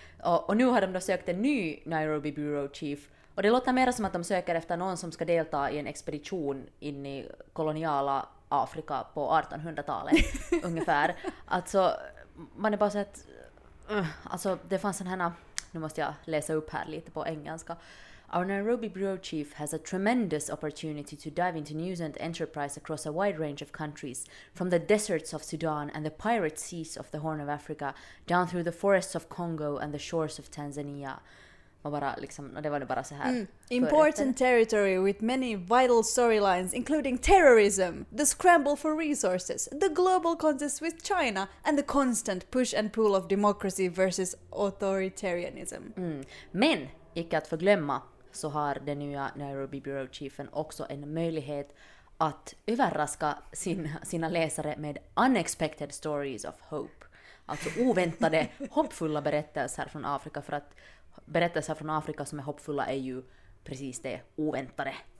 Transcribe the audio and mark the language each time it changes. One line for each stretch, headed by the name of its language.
Swedish: Och nu har de då sökt en ny Nairobi Bureau Chief. Och det låter mer som att de söker efter någon som ska delta i en expedition in i koloniala Afrika på 1800-talet ungefär. Alltså, man är bara så att, alltså, det fanns en här, nu måste jag läsa upp här lite på engelska.
English: Our Nairobi Bureau Chief has a tremendous opportunity to dive into news and enterprise across a wide range of countries, from the deserts of Sudan and the pirate seas of the Horn of Africa, down through the forests of Congo and the shores of Tanzania.
Swedish: Och bara liksom, och det var det bara så här.
English: Important territory with many vital storylines, including terrorism, the scramble for resources, the global contest with China and the constant push and pull of democracy versus authoritarianism.
Swedish: Men, icke att förglömma, så har den nya Nairobi Bureau Chiefen också en möjlighet att överraska sina läsare med
English: unexpected stories of hope.
Swedish: Alltså oväntade, hoppfulla berättelser från Afrika, för att berättelser från Afrika som är hoppfulla är ju precis det oväntade.